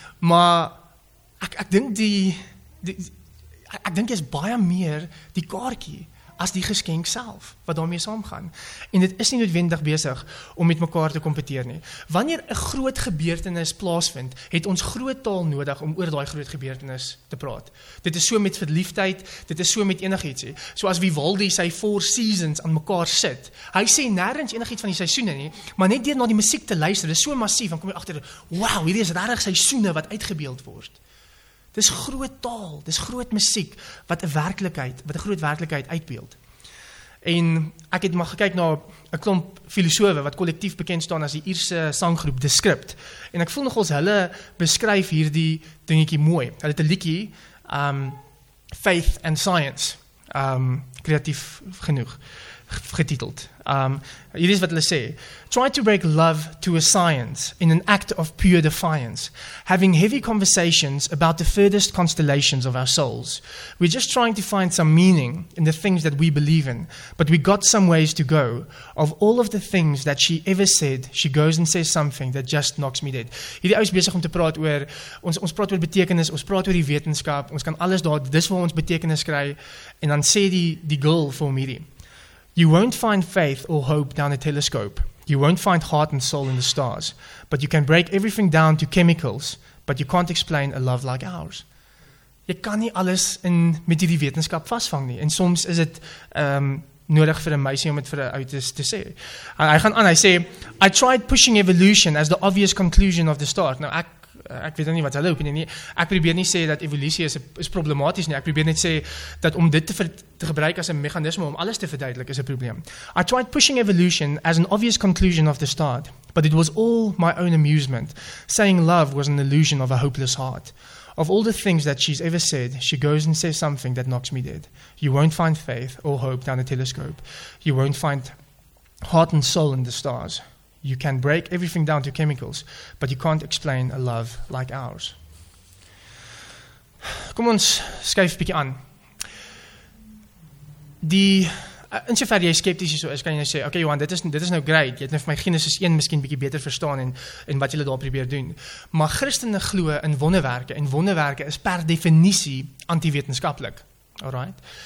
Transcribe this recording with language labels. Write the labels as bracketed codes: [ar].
[af] Maar ek dink jy is baie meer die kaartjie as die geskenk self, wat daarmee saamgaan. En dit is nie noodwendig besig om met mekaar te kompeteer nie. Wanneer 'n groot gebeurtenis plaasvind, het ons groot taal nodig om oor daai groot gebeurtenis te praat. Dit is so met verliefdheid, dit is so met enigiets. Soos Vivaldi sy Four Seasons aan mekaar sit, hy sê nêrens enigiets van die seisoene nie, maar net deur na die musiek te luister, dit is so massief, dan kom jy agter, wow, hierdie is regtig seisoene wat uitgebeeld word. Dis groot taal, dis groot musiek, wat 'n groot werklikheid uitbeeld. En ek het maar gekyk na 'n klomp filosowe, wat kollektief bekend staan as die Ierse sanggroep, The Script. En ek voel nogals, hulle beskryf hierdie dingetjie mooi. Hulle het 'n liedjie, Faith and Science, kreatief genoeg, getiteld. Hier is wat hulle sê. [en] Try to break love to a science in an act of pure defiance, having heavy conversations about the furthest constellations of our souls. We're just trying to find some meaning in the things that we believe in, but we got some ways to go. Of all of the things that she ever said, she goes and says something that just knocks me dead. [af] Hierdie ou is besig om te praat oor, ons praat oor betekenis, ons praat oor die wetenskap, ons kan alles daar, dis waar ons betekenis kry, en dan sê die girl vir hom hierdie. [en] You won't find faith or hope down a telescope. You won't find heart and soul in the stars. But you can break everything down to chemicals, but you can't explain a love like ours. [af] Jy kan nie alles met hierdie wetenskap vasvang nie. En soms is dit nodig vir 'n meisie om dit vir 'n ou te sê. Hy gaan aan, hy sê, [en] I tried pushing evolution as the obvious conclusion of the start. [af] Nou, ek weet nie wat hulle opinie nie. Ek probeer nie sê dat evolusie is problematies nie. Ek probeer net sê dat om dit te gebruik as 'n meganisme om alles te verduidelik is 'n probleem. [en] I tried pushing evolution as an obvious conclusion of the start, but it was all my own amusement, saying love was an illusion of a hopeless heart. Of all the things that she's ever said, she goes and says something that knocks me dead. You won't find faith or hope down a telescope. You won't find heart and soul in the stars. You can break everything down to chemicals, but you can't explain a love like ours. [af] Kom ons skuif 'n bietjie aan. In sover jy skepties hier so is, kan jy nou sê, okay Johan, dit is nou great, jy het nou vir my Genesis 1 miskien bietjie beter verstaan en wat julle daar probeer doen. Maar Christene glo in wonderwerke, en wonderwerke is per definisie anti-wetenskaplik. Alright?